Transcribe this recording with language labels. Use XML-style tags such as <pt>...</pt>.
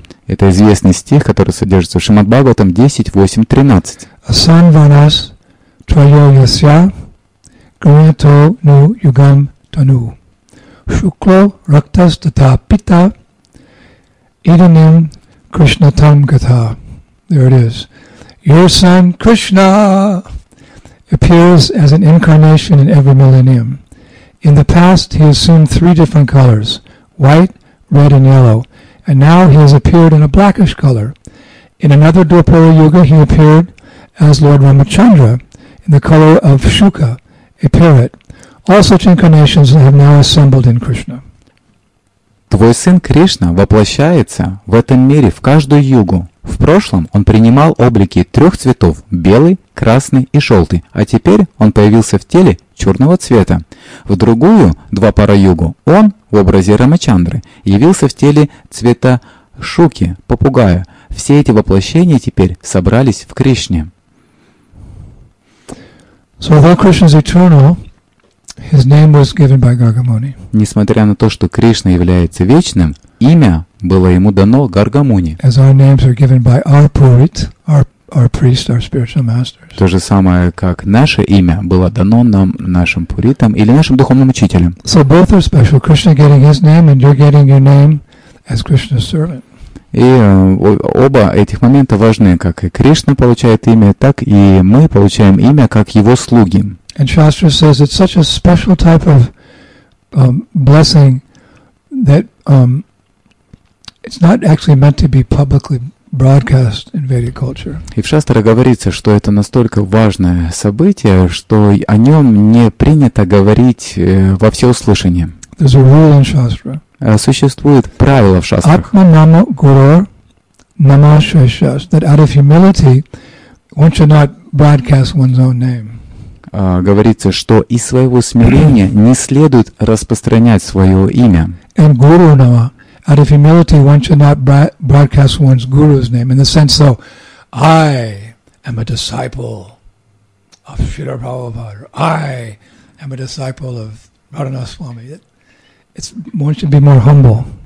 <ru>Это известный стих, который содержится в Шримад-Бхагаватам 10.8.13.</ru> <sa>Асан ванас трайо ясья гринято ну югам тану шукло рактас тата пита иданим Krishna Tam Gatha.</sa> <en>There it is. Your son, Krishna, appears as an incarnation in every millennium. In the past, he assumed three different colors, white, red, and yellow, and now he has appeared in a blackish color. In another Dwapara Yuga, he appeared as Lord Ramachandra in the color of Shuka, a parrot. All such incarnations have now assembled in Krishna.</en> <ru>Твой сын Кришна воплощается в этом мире в каждую югу. В прошлом он принимал облики трех цветов – белый, красный и желтый, а теперь он появился в теле черного цвета. В другую, Двапара Югу, он, в образе Рамачандры, явился в теле цвета шуки, попугая. Все эти воплощения теперь собрались в Кришне.</ru> <en>So though Krishna is eternal, His name was given by Gargamuni.</en> <ru>Несмотря на то, что Кришна является вечным, имя было ему дано Гаргамуни.</ru> <en>As our names are given by our Purit, our priest, our spiritual masters.</en> <ru>То же самое, как наше имя было дано нам нашим Пуритам или нашим духовным учителям.</ru> <en>So both are special. Krishna getting his name, and you're getting your name as Krishna's servant.</en> <ru>И оба этих момента важны, как и Кришна получает имя, так и мы получаем имя как его слуги.</ru> <en>And Shastra says it's such a special type of blessing that it's not actually meant to be publicly broadcast in Vedic culture.</en> <ru>И в Шастре говорится, что это настолько важное событие, что о нем не принято говорить во всеуслышание.</ru> <en>There's a rule in Shastra.</en> <ru>Существует правило в Шастрах.</ru> <sa>Атма нама гуру нама шешаш.</sa> <en>That out of humility, one should not broadcast one's own name.</en> <ru>Говорится, что из своего смирения не следует распространять свое имя.</ru> <en>And guru nama, out of humility, one should not broadcast one's guru's name. In the sense, though, I am a disciple of Srila Prabhupada. I am a disciple of Radhana Swami. It's one should be more humble.</en>